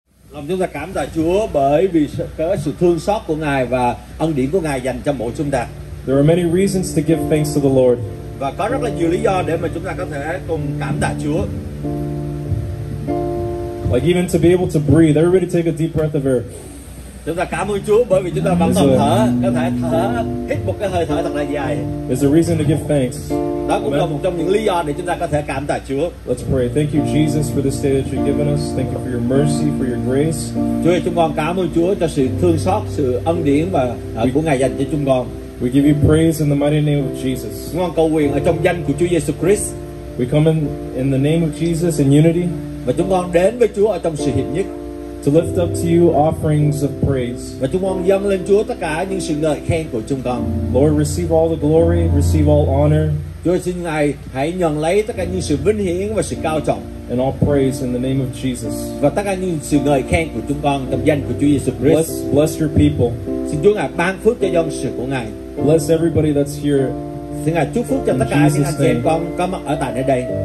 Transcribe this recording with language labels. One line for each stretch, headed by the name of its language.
Vietnamese: Lòng chúng ta cảm tạ Chúa bởi vì có sự thương xót của Ngài và ân điển của Ngài dành cho mỗi chúng ta.
English: There are many reasons to give thanks to the Lord.
Vietnamese: Và có rất là nhiều lý do để mà chúng ta có thể cùng cảm tạ Chúa.
English: Like even to be able to breathe. Everybody take a deep breath of air.
Vietnamese: Chúng ta cảm ơn Chúa bởi vì chúng ta vẫn còn thở, có thể thở, hít một cái hơi thở thật là dài.
English: There's a reason to give thanks.
Vietnamese: Đó cũng là một trong những lý do để chúng ta có thể cảm tạ Chúa.
English: Let's pray. Thank you, Jesus, for this day that you've given us. Thank you for your mercy, for your grace.
Vietnamese: Chúa, chúng con cảm ơn Chúa cho sự thương xót, sự ân điển và của Ngài dành cho chúng con.
English: We give you praise in the mighty name of Jesus.
Vietnamese: Chúng con cầu nguyện ở trong danh của Chúa Giêsu Christ.
English: We come in the name of Jesus in unity.
Vietnamese: Và chúng con đến với Chúa ở trong sự hiệp nhất.
English: To lift up to you offerings of praise.
Vietnamese: Và chúng con dâng lên Chúa tất cả những sự ngợi khen của chúng con.
English: Lord, receive all the glory, receive all honor.
Vietnamese: Chúa xin Ngài hãy nhận lấy tất cả những sự vinh hiển và sự cao trọng.
English: And all praise in the name of Jesus.
Vietnamese: Và tất cả những sự ngợi khen của chúng con trong danh của Chúa Giêsu Christ.
English: Bless your people.
Vietnamese: Xin Chúa Ngài ban phước cho dân sự của Ngài.
English: Bless everybody that's here.
Vietnamese: Xin Ngài chúc phước cho tất cả những anh chị em con có mặt ở tại nơi đây.